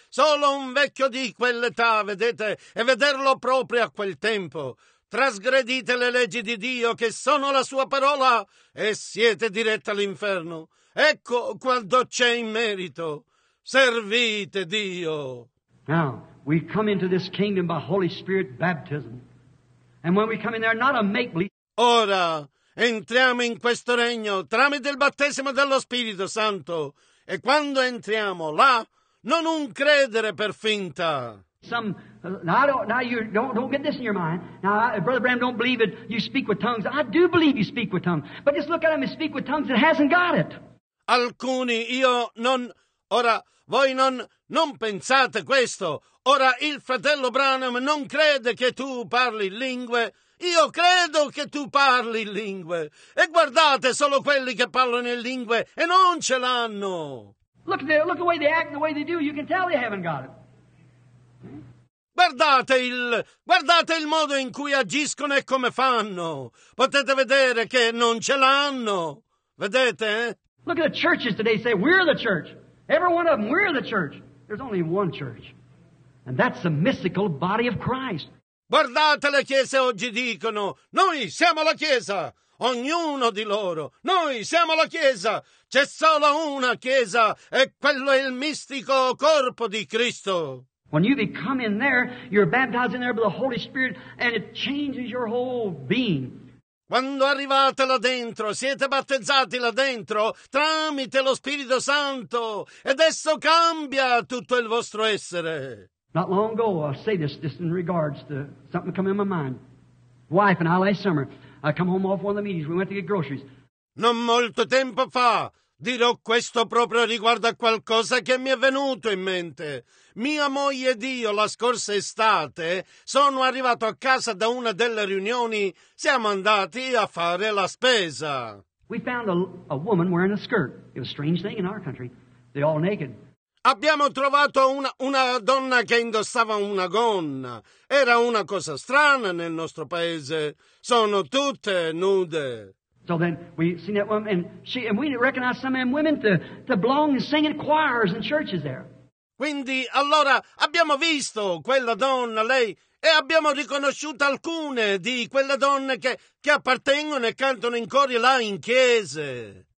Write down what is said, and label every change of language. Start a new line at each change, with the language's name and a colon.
Italian: Solo un vecchio di quell'età, vedete? E vederlo proprio a quel tempo. Trasgredite le leggi di Dio, che sono la sua parola, e siete diretti all'inferno. Ecco quanto c'è in merito. Servite Dio.
English: Now, we come into this kingdom by Holy Spirit baptism. And when we come in there, not a make-believe.
Italian: Ora, entriamo in questo regno tramite il battesimo dello Spirito Santo. E quando entriamo là, non un credere per finta.
English: Now, don't get this in your mind. Now, Brother Bram, don't believe it. You speak with tongues. I do believe you speak with tongues. But just look at him and speak with tongues. It hasn't got it.
Italian: Alcuni, io non... Ora, voi non pensate questo. Ora, il fratello Branham non crede che tu parli lingue. Io credo che tu parli lingue. E guardate solo quelli che parlano in lingue e non ce l'hanno.
English: Look at the, look the way they act, the way they do. You can tell they haven't got it.
Italian: Guardate il modo in cui agiscono e come fanno. Potete vedere che non ce l'hanno. Vedete?
English: Look at the churches today. Say, we're the church. Every one of them, we're the church. There's only one church. And that's the mystical body of Christ.
Italian: Guardate le chiese oggi dicono, noi siamo la chiesa. ognuno di loro. Noi siamo la Chiesa, c'è solo una Chiesa, e quello è il mistico corpo di Cristo.
English: When you become in there, you're baptized in there by the Holy Spirit, and it changes your whole being.
Italian: Quando arrivate là dentro, siete battezzati là dentro tramite lo Spirito Santo, ed esso cambia tutto il vostro essere.
English: Not long ago, I'll say this just in regards to something come in my mind. Wife and I last summer, I come home off one of the meetings. We went to get groceries.
Italian: Non molto tempo fa. Dirò questo proprio riguardo a qualcosa che mi è venuto in mente. Mia moglie ed io, la scorsa estate, sono arrivato a casa da una delle riunioni, siamo andati a fare la spesa.
English: We found a woman wearing a skirt. It was a strange thing in our country. They all naked.
Italian: Abbiamo trovato una donna che indossava una gonna. Era una cosa strana nel nostro paese. Sono tutte nude.
English: So then we seen that woman, and she and we recognized some of them women to belong and sing in choirs and churches there.
Italian: Quindi allora abbiamo visto quella donna lei e abbiamo riconosciuto alcune di quelle donne che appartengono e cantano in cori là in chiese.